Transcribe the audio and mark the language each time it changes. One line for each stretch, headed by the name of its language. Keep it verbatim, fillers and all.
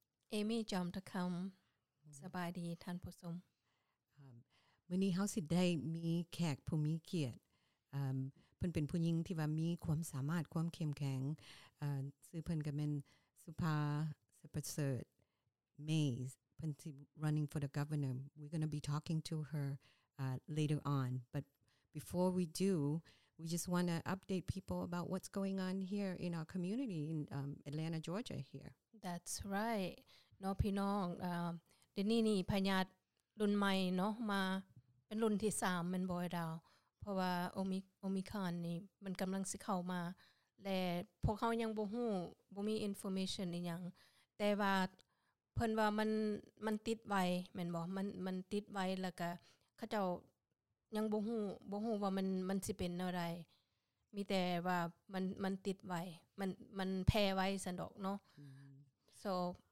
Northeastern Thai: เอมี่จอมตะคำสบายดีท่านผู้ชม มื้อนี้เฮาสิได้มีแขกผู้มีเกียรติเอ่อเพิ่นเป็นผู้หญิงที่ว่ามีความสามารถความเข้มแข็งเอ่อชื่อเพิ่นก็แม่นสุภาสประเสริฐ Maysเพิ่นสิ
English: running for the governor. We're going to be talking to her uh later on, but before we do, we just want to update people about what's going on here in our community in um, Atlanta, Georgia here. That's right.
Northeastern Thai: เนาะพี่น้องเอ่อเดี๋ยวนี้นี่พญาติรุ่นใหม่เนาะมาเป็นรุ่นที่สามแม่นบ่ดาวเพราะว่าโอมิโอมิคอนนี่มันกําลังสิเข้ามาและพวกเฮายังบ่ฮู้บ่มี information อีหยังแต่ว่าเพิ่นว่ามันมันติดไวแม่นบ่มันมันติดไวแล้วก็เขาเจ้ายังบ่ฮู้บ่ฮู้ว่ามันมันสิเป็นแนวใดมีแต่ว่ามันมันติดไวมันมันแพร่ไวซั่นดอกเนาะ so